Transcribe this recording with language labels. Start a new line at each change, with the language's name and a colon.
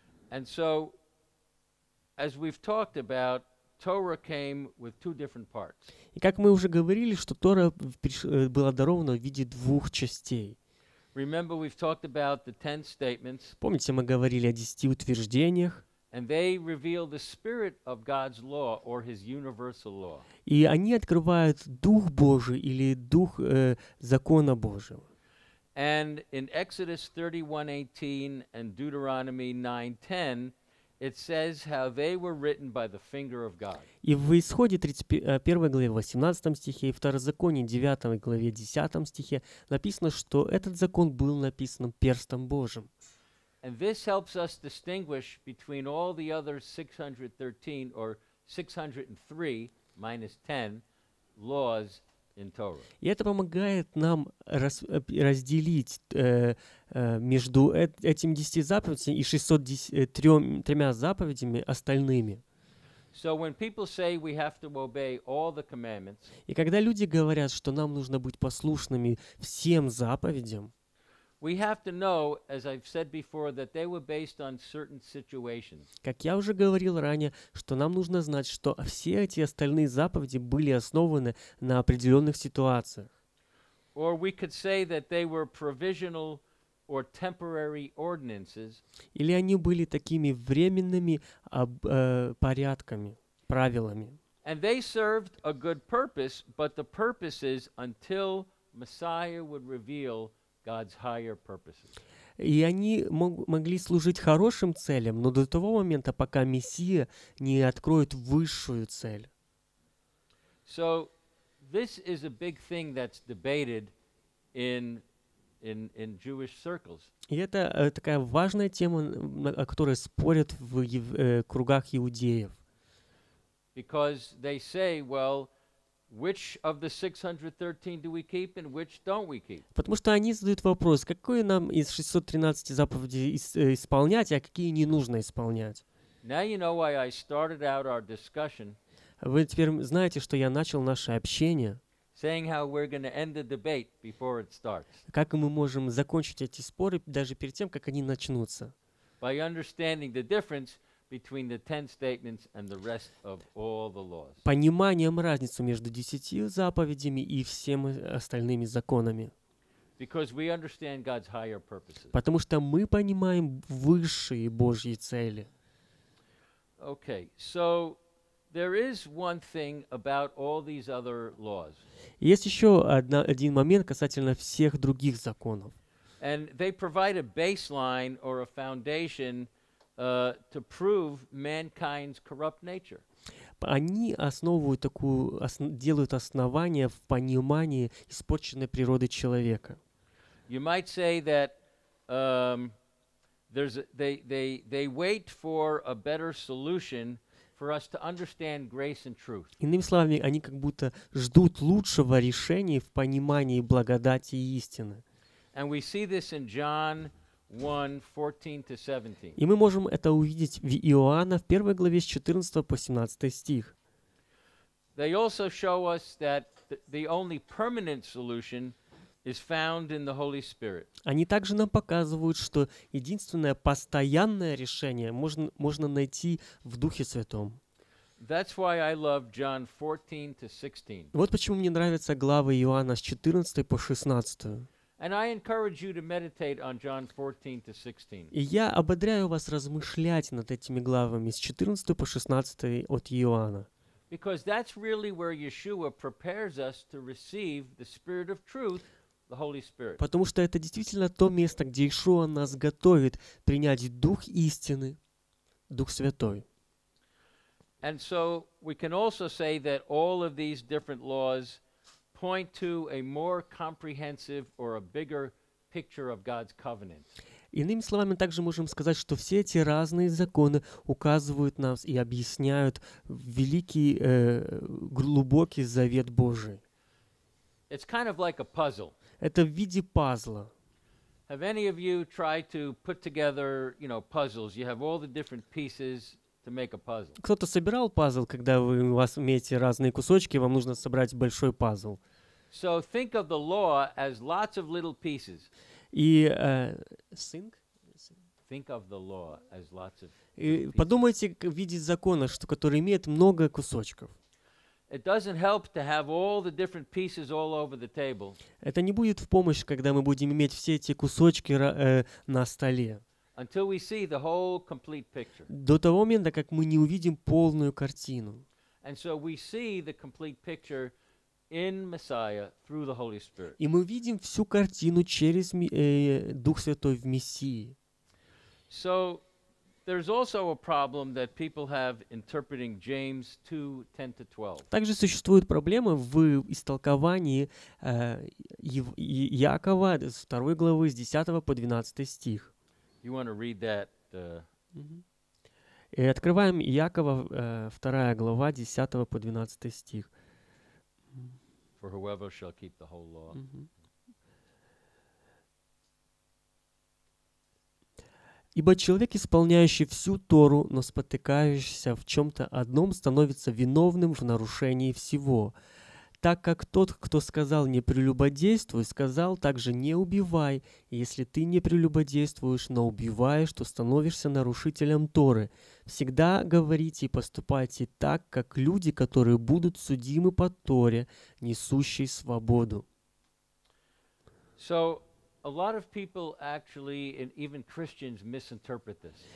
English: And so, as we've talked about, Torah came with two different parts.
Russian: И как мы уже говорили, что Тора была дарована в виде двух частей.
English: Remember, we've talked about the 10 statements.
Russian: Помните, мы говорили о 10 утверждениях.
English: And they reveal the spirit of God's law or His universal law.
Russian: И они открывают дух Божий или дух закона Божьего.
English: And in Exodus 31:18 and Deuteronomy 9:10, it says how they were written by the finger of God.
Russian: И в Исходе 31 главе 18 стихе и Второзаконии 9 главе 10 стихе написано, что этот закон был написан перстом Божьим.
English: And this helps us distinguish between all the other 613 or 603 minus 10 laws in Torah.
Russian: И это помогает нам разделить между этими 10 заповедями и 603 заповедями остальными.
English: So when people say we have to obey all the commandments,
Russian: и когда люди говорят, что нам нужно быть послушными всем заповедям,
English: We have to know, as I've said before, that they were based on certain situations.
Russian: Как я уже говорил ранее, что нам нужно знать, что все эти остальные заповеди были основаны на определенных ситуациях.
English: Or we could say that they were provisional or temporary ordinances.
Russian: Или они были такими временными порядками, правилами.
English: And they served a good purpose, but the purpose is until Messiah would reveal God's higher purposes.
Russian: И они могли служить хорошим целям, но до того момента, пока Мессия не откроет высшую цель.
English: So this is a big thing that's debated in Jewish circles.
Russian: И это такая важная тема, о которой спорят в кругах иудеев.
English: Because they say, well, which of the 613 do we keep and which don't we keep?
Russian: Потому что они задают вопрос, какие нам из 613 заповедей исполнять, а какие не нужно исполнять.
English: Now you know why I started out our discussion.
Russian: Вы теперь знаете, что я начал наше общение.
English: Saying how we're going to end the debate before it starts.
Russian: Как мы можем закончить эти споры даже перед тем, как они начнутся?
English: By understanding the difference between the 10 statements and the rest of all the laws.
Russian: Пониманием разницу между 10 заповедями и всеми остальными законами.
English: Because we understand God's higher purposes.
Russian: Потому что мы понимаем высшие Божьи цели.
English: Okay, so there is one thing about all these other laws.
Russian: Есть еще один момент касательно всех других законов.
English: And they provide a baseline or a foundation to prove mankind's corrupt nature.
Russian: Они основывают такую, делают основание в понимании испорченной природы человека.
English: You might say that they wait for a better solution for us to understand grace and truth.
Russian: Иными словами, они как будто ждут лучшего решения в понимании благодати и истины.
English: And we see this in John 1:14-17.
Russian: И мы можем это увидеть в Иоанна в 1 главе с 14 по 17 стих.
English: They also show us that the only permanent solution is found in the Holy Spirit.
Russian: Они также нам показывают, что единственное постоянное решение можно найти в Духе Святом.
English: That's why I love John 14-16.
Russian: Вот почему мне нравятся главы Иоанна с 14 по 16.
English: And I encourage you to meditate on John 14-16.
Russian: И я ободряю вас размышлять над этими главами с 14 по 16 от Иоанна.
English: Because that's really where Yeshua prepares us to receive the Spirit of Truth, the Holy Spirit.
Russian: Потому что это действительно то место, где Иешуа нас готовит принять Дух истины, Дух Святой.
English: And so we can also say that all of these different laws point to a more comprehensive or a bigger picture of God's covenant.
Russian: Иными словами, также можем сказать, что все эти разные законы указывают нам и объясняют великий глубокий завет Божий.
English: It's kind of like a puzzle.
Russian: Это в виде пазла.
English: Have any of you tried to put together, you know, puzzles? You have all the different pieces to make a puzzle.
Russian: Кто-то собирал пазл, когда вы у вас имеете разные кусочки, вам нужно собрать большой пазл.
English: So think of the law as lots of little pieces.
Russian: И
English: think of the law as lots of.
Russian: И подумайте в виде закона, что который имеет много кусочков.
English: It doesn't help to have all the different pieces all over the table.
Russian: Это не будет в помощь, когда мы будем иметь все эти кусочки на столе.
English: Until we see the whole complete picture.
Russian: До того момента, как мы не увидим полную картину.
English: And so we see the complete picture in Messiah through the Holy Spirit.
Russian: И мы видим всю картину через Дух Святой в Мессии.
English: So there's also a problem that people have interpreting James 2:10-12.
Russian: Также существует проблема в истолковании Иакова 2 главы с 10 по 12 стих.
English: You want to read that?
Russian: И открываем Иакова 2 глава 10 по 12 стих.
English: For whoever shall keep the whole law.
Russian: Ибо человек, исполняющий всю Тору, но спотыкающийся в чем-то одном, становится виновным в нарушении всего. так как тот, кто сказал «не прелюбодействуй», сказал также «не убивай». Если ты не прелюбодействуешь, но убиваешь, то становишься нарушителем Торы. Всегда говорите и поступайте так, как люди, которые будут судимы по Торе, несущей свободу.
English: So, a lot of people actually, and even Christians, misinterpret this.